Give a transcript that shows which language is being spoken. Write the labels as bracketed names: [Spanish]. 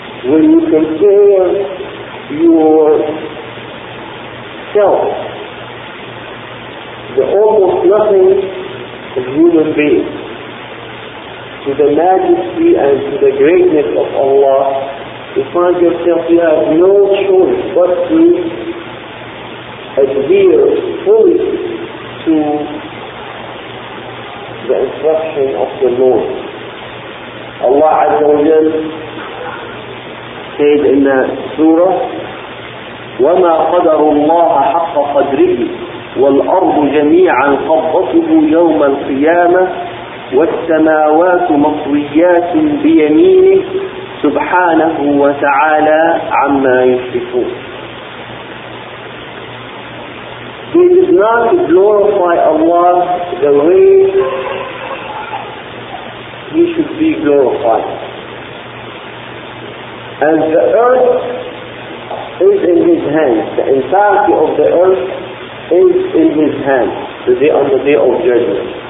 [English] When you compare yourself, the almost nothing of human beings, to the majesty and to the greatness of Allah, you find yourself you have no choice but to adhere fully to the instruction of the Lord. Allah Azza wa Jal said in the surah, [Arabic] وَمَا قَدَرُ اللَّهَ حَقَّ قَدْرِهِ وَالْأَرْضُ جَمِيعًا قَبَّضَتْهُ يَوْمَ الْقِيَامَةِ وَالسَّمَاوَاتُ مَطْوِيَّاتٌ بِيَمِينِهِ سُبْحَانَهُ وَتَعَالَى عَمَّا يُشْرِكُونَ. [English] He did not glorify Allah the way He should be glorified. And the earth is in His hands. The entirety of the earth is in His hands today on the Day of Judgment.